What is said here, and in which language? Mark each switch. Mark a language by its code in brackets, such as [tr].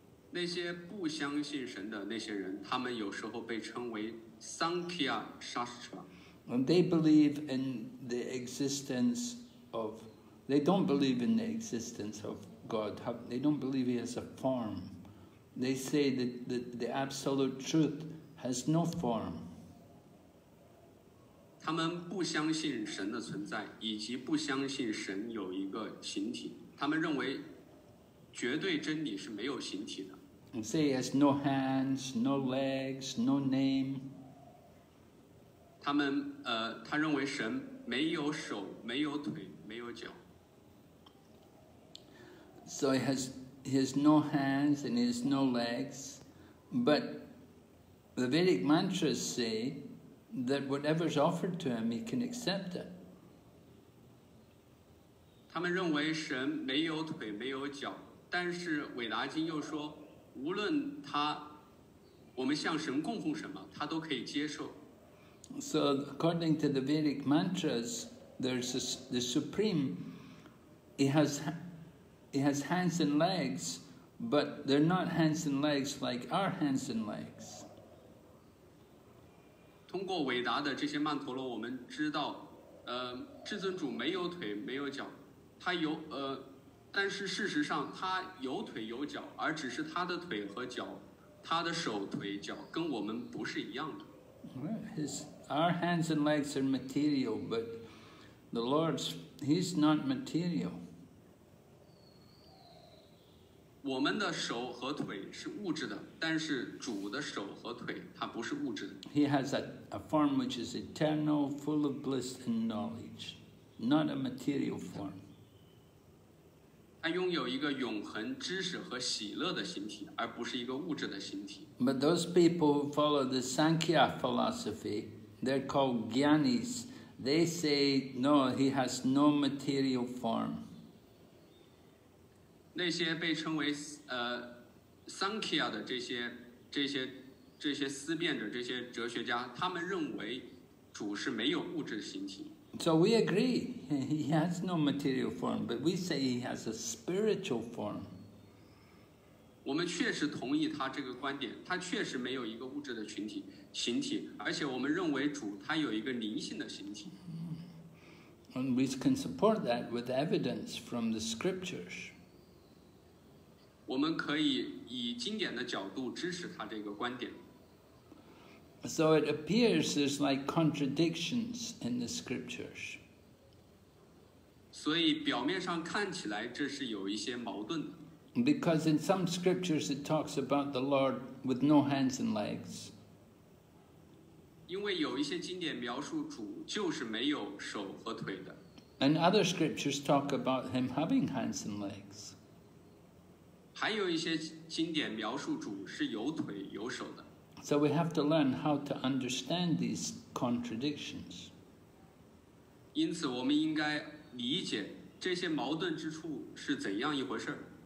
[zh] 那些不相信神的那些人，他们有时候被称为 Sankhya Shastra. [en] And they believe in the existence of, they don't believe in the existence of God. They don't believe he has a form. They say that the absolute truth has no form. [zh] 他们不相信神的存在，以及不相信神有一个形体。他们认为绝对真理是没有形体的。 [en] They say he has no hands, no legs, no name. [zh] 他们他认为神没有手，没有腿，没有脚。 [en] So he has no hands and he has no legs, but the Vedic mantras say that whatever is offered to him, he can accept it. [zh] 他们认为神没有腿没有脚，但是韦达经又说，无论他我们向神供奉什么，他都可以接受。 [en] So according to the Vedic mantras, there's the supreme He has hands and legs, but they're not hands and legs like our hands and legs. [zh] 通过伟达的这些曼陀罗，我们知道，至尊主没有腿没有脚，他有但是事实上他有腿有脚，而只是他的腿和脚，他的手腿脚跟我们不是一样的。 [en] Our hands and legs are material, but the Lord's, he's not material. [zh] 我们的手和腿是物质的，但是主的手和腿它不是物质的。 [en] He has a form which is eternal, full of bliss and knowledge, not a material form. [zh] 他拥有一个永恒知识和喜乐的形体，而不是一个物质的形体。 [en] But those people who follow the Sankhya philosophy,They're called Gyanis. They say, no, he has no material form. [zh] 那些被称为Sankhya 的这些思辨者，这些哲学家，他们认为主是没有物质形体。 [en] So we agree, he has no material form, but we say he has a spiritual form. [zh] 我们确实同意他这个观点，他确实没有一个物质的群体。形体，而且我们认为主他有一个灵性的形体。 [en] And we can support that with evidence from the scriptures. [zh] 我们可以以经典的角度支持他这个观点。 [en] So it appears there's like contradictions in the scriptures. [zh] 所以表面上看起来这是有一些矛盾的。 [en] Because in some scriptures it talks about the Lord with no hands and legs. [zh] 因为有一些经典描述主就是没有手和腿的。 [en] And other scriptures talk about him having hands and legs. [zh] 还有一些经典描述主是有腿有手的。 [en] So we have to learn how to understand these contradictions. [zh] 因此我们应该理解这些矛盾之处是怎样一回事。